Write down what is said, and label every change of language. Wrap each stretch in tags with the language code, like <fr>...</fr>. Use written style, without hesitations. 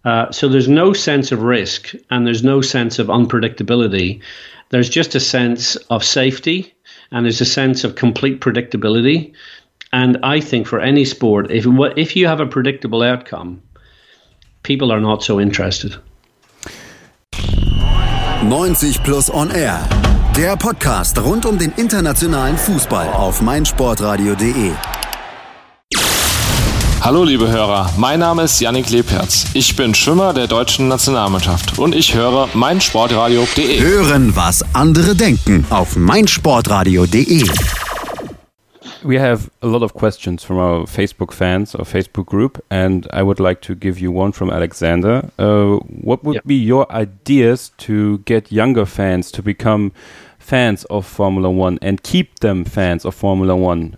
<en>So there's no sense of risk and there's no sense of unpredictability. There's just a sense of safety and there's a sense of complete predictability. And I think for any sport, if you have a predictable outcome, people are not so interested. 90 plus on air.</en> <de>Der Podcast rund um den internationalen Fußball auf meinsportradio.de. Hallo liebe Hörer, mein Name ist Yannick Lebherz. Ich bin Schwimmer der deutschen Nationalmannschaft und ich höre meinsportradio.de. Hören, was andere denken auf meinsportradio.de.</de> <en>We have a lot of questions from our Facebook fans or Facebook group, and I would like to give you one from Alexander. What would be your ideas to get younger fans to become fans of Formula One and keep them fans of Formula One?</en>